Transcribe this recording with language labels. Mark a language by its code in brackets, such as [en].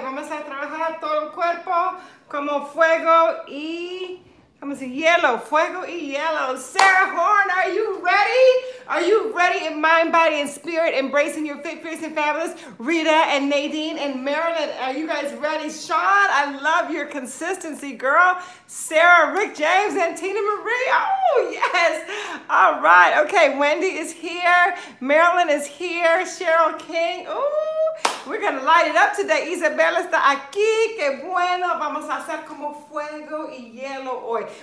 [es] Vamos a trabajar todo el cuerpo como fuego y, vamos a decir, hielo. Fuego y hielo. [en] Sarah Horn, are you ready? Are you ready in mind, body, and spirit, embracing your fit, fierce, and fabulous? Rita and Nadine and Marilyn, are you guys ready? Sean, I love your consistency, girl. Sarah, Rick James, and Tina Marie. Oh, yes. All right. Okay, Wendy is here. Marilyn is here. Cheryl King. Ooh, we're going to light it up today. [es] Isabella está aquí. Qué bueno. Vamos a hacer como fuego y hielo hoy.